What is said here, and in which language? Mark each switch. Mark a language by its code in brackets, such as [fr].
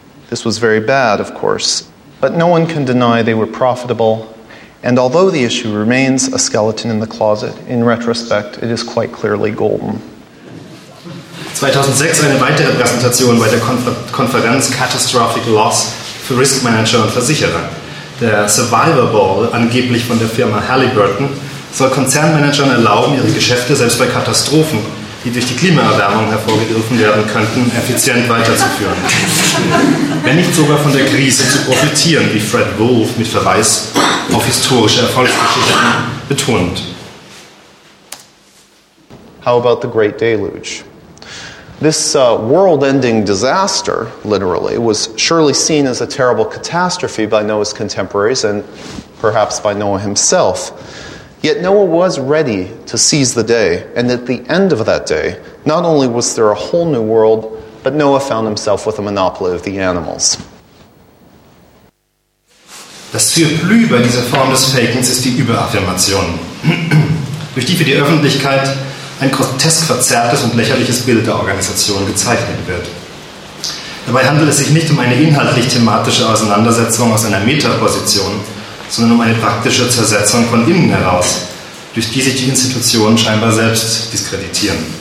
[en] This was very bad, of course, but no one can deny they were profitable. And although the issue remains a skeleton in the closet, in retrospect, it is quite clearly golden. [de] 2006 eine weitere Präsentation bei der Konferenz Catastrophic Loss für Risk Manager und Versicherer. Der Survivor Ball, angeblich von der Firma Halliburton, soll Konzernmanagern erlauben, ihre Geschäfte selbst bei Katastrophen, die durch die Klimaerwärmung hervorgerufen werden könnten, effizient weiterzuführen. Wenn nicht sogar von der Krise zu profitieren, wie Fred Wolf mit Verweis auf historische Erfolgsgeschichten betont. [en] How about the Great Deluge? This world-ending disaster, literally, was surely seen as a terrible catastrophe by Noah's contemporaries and perhaps by Noah himself. Yet Noah was ready to seize the day, and at the end of that day, not only was there a whole new world, but Noah found himself with a monopoly of the animals. [de] Das Surplü bei dieser Form des Fakens ist die Überaffirmation, durch die für die Öffentlichkeit ein grotesk verzerrtes und lächerliches Bild der Organisation gezeichnet wird. Dabei handelt es sich nicht um eine inhaltlich-thematische Auseinandersetzung aus einer Metaposition, sondern um eine praktische Zersetzung von innen heraus, durch die sich die Institutionen scheinbar selbst diskreditieren.